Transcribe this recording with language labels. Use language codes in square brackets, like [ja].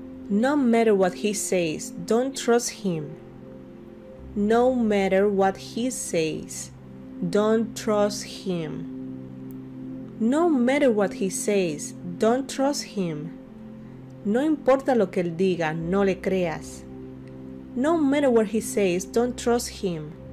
[en] No matter what he says, don't trust him. No matter what he says, don't trust him. No matter what he says, don't trust him. [es] No importa lo que él diga, no le creas. [en] No matter what he says, don't trust him.